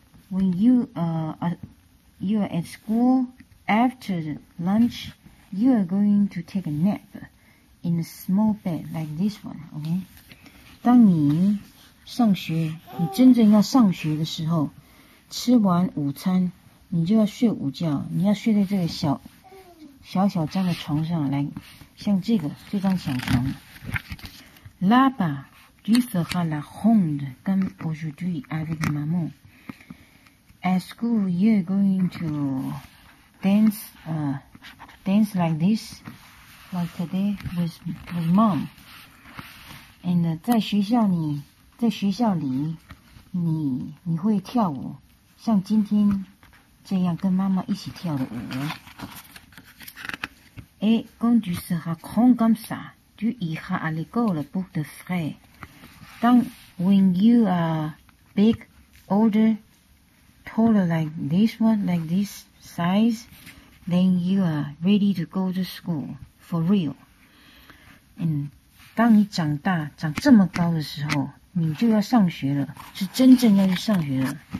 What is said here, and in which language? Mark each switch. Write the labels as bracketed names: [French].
[English] When you are at school after lunch, you are going to take a nap in a small bed like this one. Okay. [Chinese] 当你上学，你真正要上学的时候，吃完午餐，你就要睡午觉。你要睡在这个小小张的床上，来，像这张小床。 [French] Là-bas, tu feras la ronde comme aujourd'hui avec maman. Est-ce que [English] you're going to dance like this, like today with mom? And [Chinese] 在学校里，你会跳舞，像今天这样跟妈妈一起跳的舞。 [French] Et quand tu seras grand comme ça, tu iras à l'école pour tes frères. [English] When you are big, older, taller like this one, like this size, then you are ready to go to school for real. And [Chinese] 当你长大，长这么高的时候，你就要上学了，是真正要去上学了。